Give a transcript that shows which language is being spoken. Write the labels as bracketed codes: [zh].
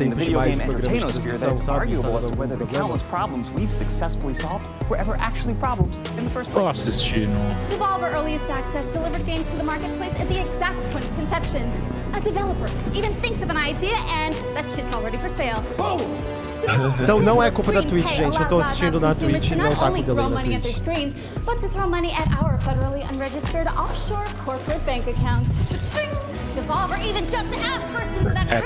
[en] in the video game entertainosphere that it's arguable as to whether the countless problems we've successfully solved were ever actually problems in the first place. Devolver Earliest Access delivered games to the marketplace at the exact point of conception. A developer even thinks of an idea and that shit's already for sale. Boom! [pt] Então não é culpa da Twitch, gente. Eu tô assistindo na Twitch, não tá com delay na Twitch. [en] But to throw money at our federally unregistered offshore corporate bank accounts. Devolver even jumped to ask for some of that.